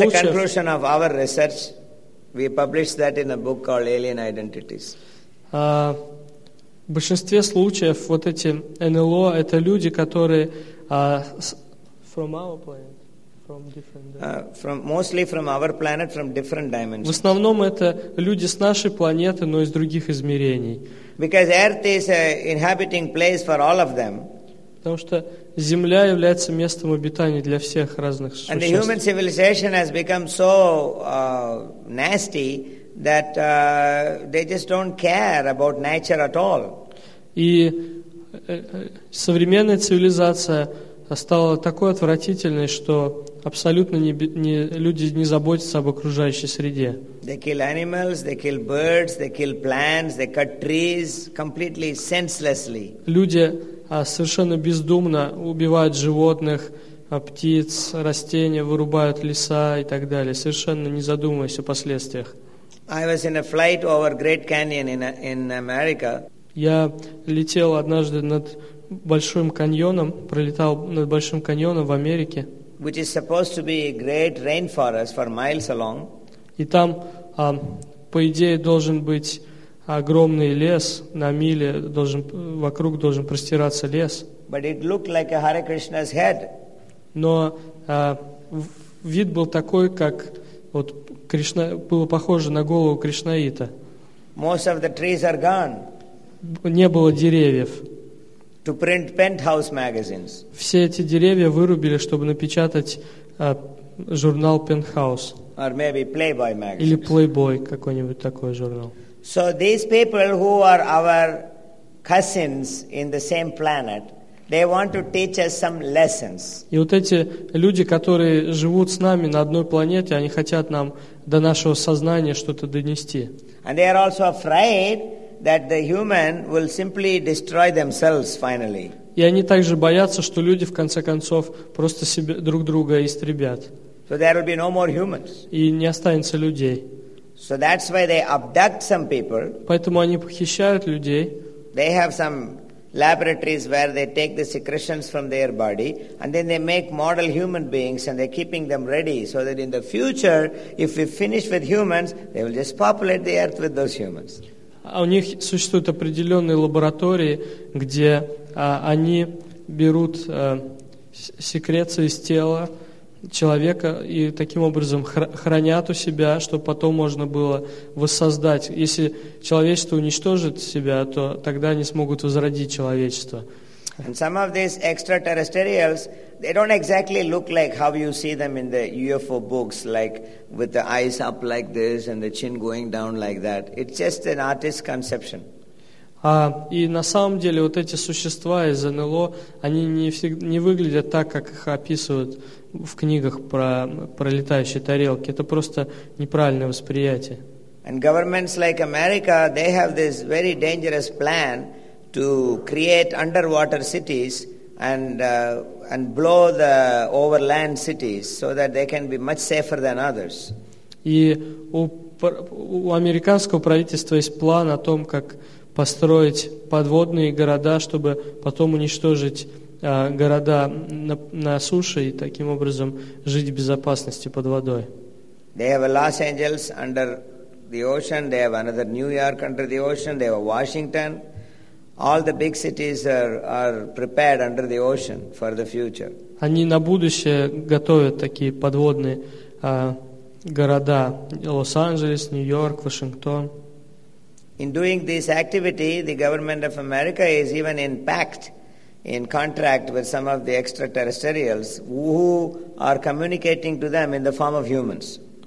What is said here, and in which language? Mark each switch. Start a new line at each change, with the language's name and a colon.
English: That's the conclusion of our research. We published that in a book called Alien Identities.
Russian: В большинстве случаев вот эти НЛО это люди, которые
English: from our planet, from different. From mostly from our planet, from different dimensions.
Russian: В основном это люди с нашей планеты, но из других измерений.
English: Because Earth is an inhabiting place for all of them.
Russian: Потому что Земля является местом обитания для всех разных существ.
English: And the human civilization has become so nasty that they just don't care about nature at all.
Russian: И современная цивилизация стала такой отвратительной, что абсолютно люди не заботятся об окружающей среде.
English: They kill animals, they kill birds, they kill plants, they cut trees completely senselessly.
Russian: Люди совершенно бездумно убивают животных, птиц, растения, вырубают леса и так далее, совершенно не задумываясь о последствиях.
English: I was in a flight over Great Canyon in America.
Russian: Я летел однажды над Большим каньоном, пролетал над Большим каньоном в Америке.
English: Which is supposed to be a great rainforest for miles along.
Russian: И там, по идее, должен быть огромный лес, на миле вокруг должен простираться лес.
English: But it looked like a Hare Krishna's head.
Russian: Но вид был такой, как вот Кришна, было похоже на голову Кришнаита.
English: Most of the trees are gone.
Russian: Не было деревьев.
English: To print Penthouse magazines.
Russian: Все эти деревья вырубили, чтобы напечатать журнал Penthouse.
English: Or maybe Playboy magazines.
Russian: Или Playboy какой-нибудь такой журнал.
English: So these people who are our cousins in the same planet, they want to teach us some lessons.
Russian: И вот эти люди, которые живут с нами на одной планете, они хотят нам до нашего сознания что-то донести.
English: And they are also afraid that the human will simply destroy themselves finally.
Russian: И они также боятся, что люди в конце концов просто себе друг друга истребят.
English: So there will be no more humans.
Russian: И не останется людей.
English: So that's why they abduct some people.
Russian: Поэтому они похищают людей.
English: They have some laboratories where they take the secretions from their body and then they make model human beings and they're keeping them ready so that in the future, if we finish with humans, they will just populate the earth with those humans.
Russian: У них существуют определенные лаборатории, где они берут секреции из тела человека и таким образом хранят у себя, чтобы потом можно было воссоздать. Если человечество уничтожит себя, то тогда они смогут возродить человечество.
English: And some of these extraterrestrials, they don't exactly look like how you see them in the UFO books, like with the eyes up like this and the chin going down like that. It's just an artist's conception.
Russian: И на самом деле вот эти существа из НЛО, они не выглядят так, как их описывают в книгах про летающие тарелки. Это просто неправильное восприятие.
English: And governments like America, they have this very dangerous plan to create underwater cities and blow the overland cities so that they can be much safer than others.
Russian: И у американского правительства есть план о том, как построить подводные города, чтобы потом уничтожить города на суше и таким образом жить в безопасности под водой.
English: They have Los Angeles under the ocean, they have another New York under the ocean, they have Washington. All the big cities are prepared under the ocean for the future.
Russian: Они на будущее готовят такие подводные города: Лос-Анджелес, Нью-Йорк, Вашингтон.
English: In doing this activity, the government of America is even in pact, in contract with some of the extraterrestrials who are communicating to them in the form of humans.